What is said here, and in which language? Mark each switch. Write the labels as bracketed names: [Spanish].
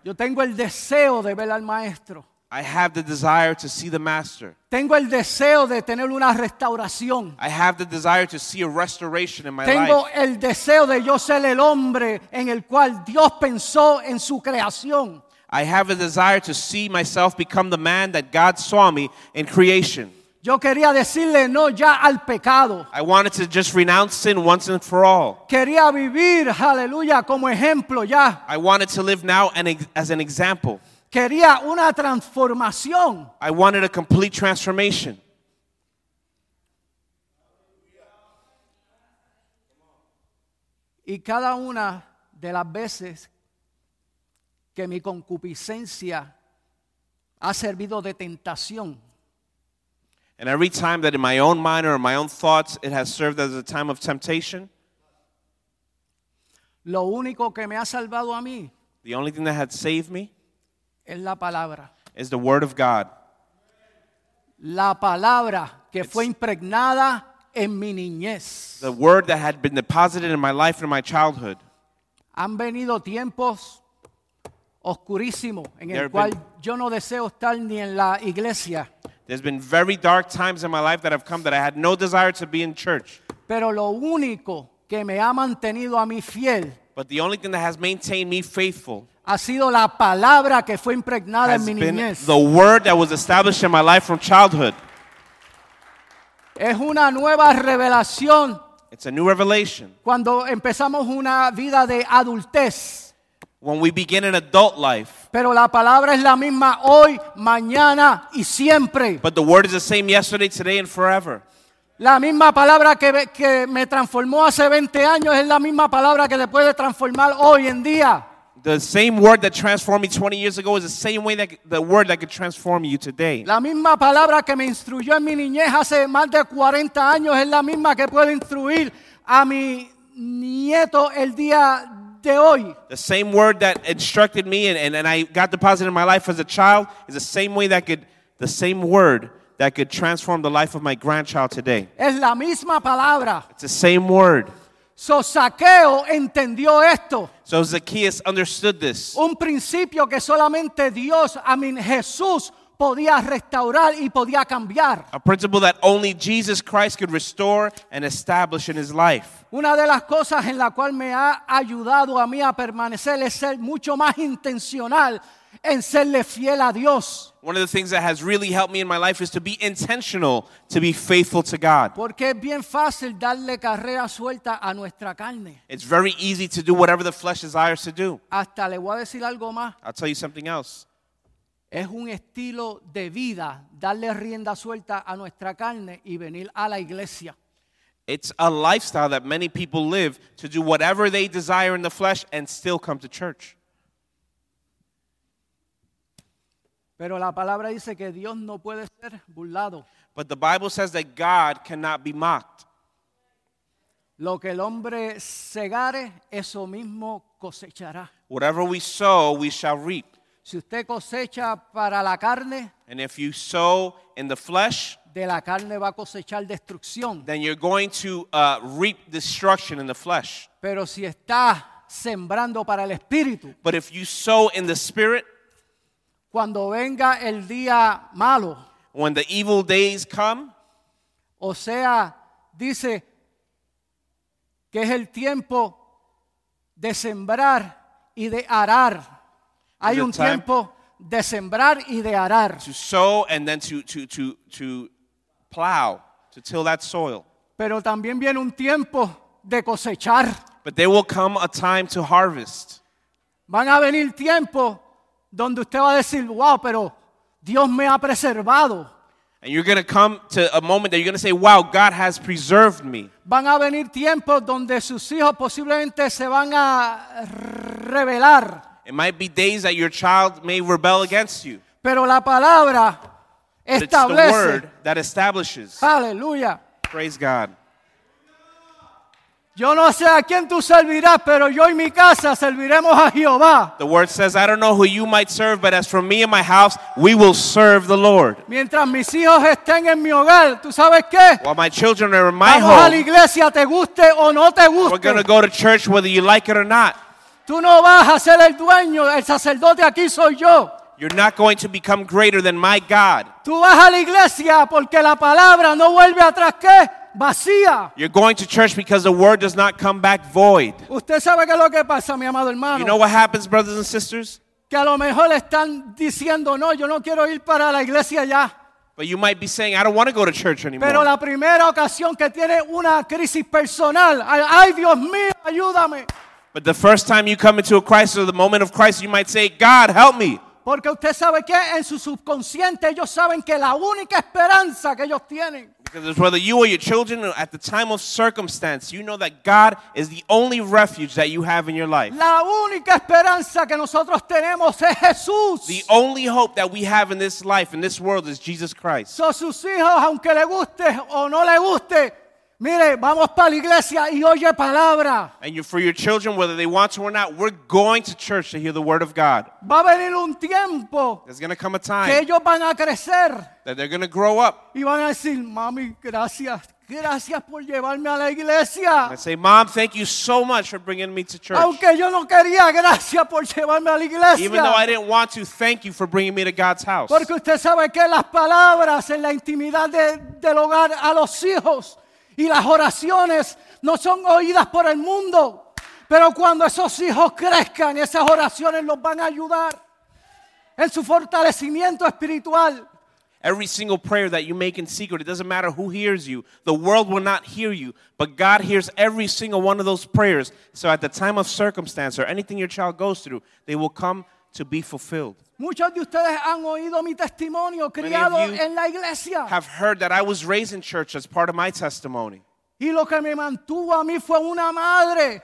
[Spanish] Yo tengo el deseo de ver al maestro. [English] I have the desire to see the master. [Spanish] Tengo el deseo de tener una restauración. [English] I have the desire to see a restoration in my [Spanish] Tengo [English] life. [Spanish] Tengo el deseo de yo ser el hombre en el cual Dios pensó en su creación. [English] I have a desire to see myself become the man that God saw me in creation. [Spanish] Yo quería decirle no ya al pecado. [English] I wanted to just renounce sin once and for all. [Spanish] Quería vivir, aleluya, como ejemplo ya. [English] I wanted to live now as an example. [Spanish] Quería una transformación. [English] I wanted a complete transformation. [Spanish] Y cada una de las veces que mi concupiscencia ha servido de tentación. [English] And every time that in my own mind or in my own thoughts it has served as a time of temptation. [Spanish] Lo único que me ha salvado a mí. [English] The only thing that had saved me. [Spanish] Es la palabra. [English] Is the word of God. [Spanish] La palabra que fue impregnada en mi niñez. [English] The word that had been deposited in my life and in my childhood. [Spanish] Han venido tiempos oscurísimos en el cual yo no deseo estar ni en la iglesia. [English] There's been very dark times in my life that have come that I had no desire to be in church. [Spanish] Pero lo único que me ha mantenido a mí fiel. [English] But the only thing that has maintained me faithful. [Spanish] Ha sido la palabra que fue impregnada en mi niñez. [English] The word that was established in my life from childhood. [Spanish] Es una nueva revelación. [English] It's a new revelation. [Spanish] Cuando empezamos una vida de adultez. [English] when we begin an adult life. [Spanish] Pero la palabra es la misma hoy, mañana y siempre. [English] But the word is the same yesterday, today, and forever. [Spanish] La misma palabra que me transformó hace 20 años es la misma palabra que le puede transformar hoy en día. [English] The same word that transformed me 20 years ago is the same way that the word that could transform you today. [Spanish] La misma palabra que me instruyó en mi niñez hace más de 40 años es la misma que puede instruir a mi nieto el día de hoy. [English] The same word that instructed me and I got deposited in my life as a child is the same way that could, the same word that could transform the life of my grandchild today. [Spanish] Es la misma palabra. [English] It's the same word. [Spanish] So Zaqueo entendió esto. [English] So Zacchaeus understood this. [Spanish] Un principio que solamente Dios, [English] I mean [Spanish] Jesús, podía restaurar y podía cambiar. [English] A principle that only Jesus Christ could restore and establish in his life. [Spanish] Una de las cosas en la cual me ha ayudado a mí a permanecer es ser mucho más intencional en serle fiel a Dios. [English] One of the things that has really helped me in my life is to be intentional, to be faithful to God. [Spanish] Porque es bien fácil darle carrera suelta a nuestra carne. [English] It's very easy to do whatever the flesh desires to do. [Spanish] Hasta le voy a decir algo más. [English] I'll tell you something else. [Spanish] Es un estilo de vida darle rienda suelta a nuestra carne y venir a la iglesia. [English] It's a lifestyle that many people live to do whatever they desire in the flesh and still come to church. [Spanish] Pero la palabra dice que Dios no puede ser burlado. [English] But the Bible says that God cannot be mocked. [Spanish] Lo que el hombre segare, eso mismo cosechará. [English] Whatever we sow, we shall reap. [Spanish] Si usted cosecha para la carne, [English] and if you sow in the flesh, [Spanish] de la carne va a cosechar destrucción. [English] Then you're going to reap destruction in the flesh. [Spanish] Pero si está sembrando para el espíritu, [English] but if you sow in the spirit, [Spanish] cuando venga el día malo, [English] when the evil days come, [Spanish] o sea, dice que es el tiempo de sembrar y de arar. Hay un tiempo de sembrar y de arar. [English] To sow and then to plow, to till that soil. [Spanish] Pero también viene un tiempo de cosechar. [English] But there will come a time to harvest. [Spanish] Van a venir tiempo donde usted va a decir, wow, pero Dios me ha preservado. [English] And you're going to come to a moment that you're going to say, wow, God has preserved me. [Spanish] Van a venir tiempos donde sus hijos posiblemente se van a rebelar. [English] It might be days that your child may rebel against you. [Spanish] Pero la palabra establece. [English] But it's the word that establishes. Hallelujah. Praise God. [Spanish] Yo no sé a quién tú servirás, pero yo y mi casa serviremos a Jehová. [English] The word says, I don't know who you might serve, but as for me and my house, we will serve the Lord. [Spanish] Mientras mis hijos estén en mi hogar, ¿tú sabes qué? [English] While my children are in my [Spanish] vamos [English] home. [Spanish] Vamos a la iglesia, te guste o no te guste. [English] We're going to go to church whether you like it or not. [Spanish] Tú no vas a ser el dueño, el sacerdote aquí soy yo. [English] You're not going to become greater than my God. [Spanish] Tú vas a la iglesia porque la palabra no vuelve atrás, ¿qué? Vacía. [English] You're going to church because the word does not come back void. [Spanish] Usted sabe qué es lo que pasa, mi amado hermano. [English] You know what happens, brothers and sisters? [Spanish] Que a lo mejor están diciendo, no, yo no quiero ir para la iglesia ya. [English] But you might be saying, I don't want to go to church anymore. [Spanish] Pero la primera ocasión que tiene una crisis personal, ay Dios mío, ayúdame. [English] But the first time you come into a crisis or the moment of crisis, you might say, God, help me. [Spanish] Porque usted sabe que en su subconsciente ellos saben que la única esperanza que ellos tienen. [English] Because it's whether you or your children or at the time of circumstance, you know that God is the only refuge that you have in your life. [Spanish] La única esperanza que nosotros tenemos es Jesús. [English] The only hope that we have in this life, in this world, is Jesus Christ. [Spanish] So sus hijos, aunque le guste o no le guste, mire, vamos para la iglesia y oye palabra. [English] And you, for your children, whether they want to or not, we're going to church to hear the word of God. [Spanish] Va a venir un tiempo. [English] There's going to come a time. [Spanish] Que ellos van a crecer. [English] That they're going to grow up. [Spanish] Y van a decir, mami, gracias. Gracias por llevarme a la iglesia. [English] And I say, Mom, thank you so much for bringing me to church. [Spanish] Aunque yo no quería, gracias por llevarme a la iglesia. [English] Even though I didn't want to, thank you for bringing me to God's house. [Spanish] Porque usted sabe que las palabras en la intimidad del hogar a los hijos. Y las oraciones no son oídas por el mundo, pero cuando esos hijos crezcan, esas oraciones los van a ayudar en su fortalecimiento espiritual. [English] Every single prayer that you make in secret, it doesn't matter who hears you. The world will not hear you, but God hears every single one of those prayers. So at the time of circumstance or anything your child goes through, they will come to be fulfilled. [Spanish] Muchos de ustedes han oído mi testimonio criado en la iglesia. [English] Many of you have heard that I was raised in church as part of my testimony. [Spanish] Y lo que me mantuvo a mí fue una madre.